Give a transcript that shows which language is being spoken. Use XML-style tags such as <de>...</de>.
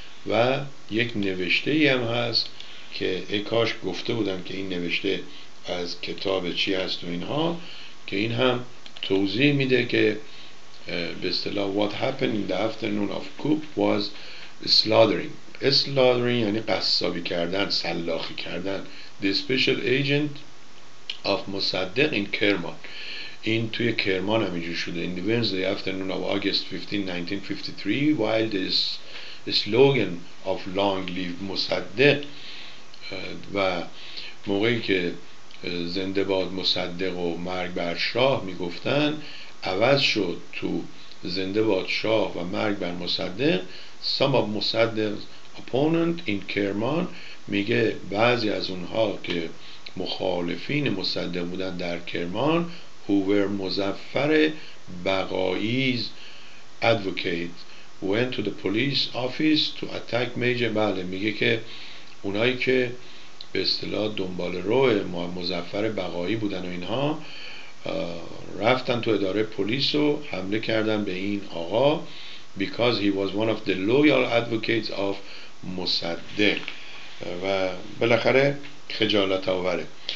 <fa>و یک نوشته ای هم هست که ای کاش گفته بودم که این نوشته از کتاب چی هست و اینها، که این هم توضیح میده که به اصطلاح</fa> <en>what happened in the afternoon of coup was slaughtering.</en> <fa>Slaughtering یعنی قصابی کردن، سلاخی کردن.</fa> <en>The special agent of Mossadegh in Kerman.</en> <fa>این توی کرمان همینجور شده.</fa> <en>In the Wednesday afternoon of August 15, 1953 while this slogan of long live</en> <fa>مصدق، و موقعی که زنده باد مصدق و مرگ بر شاه میگفتن عوض شد تو زنده باد شاه و مرگ بر مصدق.</fa> <en>some of مصدق's opponent in کرمان</en> <fa>میگه بعضی از اونها که مخالفین مصدق بودن در کرمان،</fa> <en>who were مظفر بقائی's advocate went to the police office to attack major.</en> <fa>بله میگه که اونایی که به اصطلاح دنبال روی مظفر بقایی بودن و اینها رفتن تو اداره پلیس و حمله کردن به این آقا</fa> <en>because he was one of the loyal advocates of</en> <fa>مصدق و بالاخره خجالت آوره.</fa>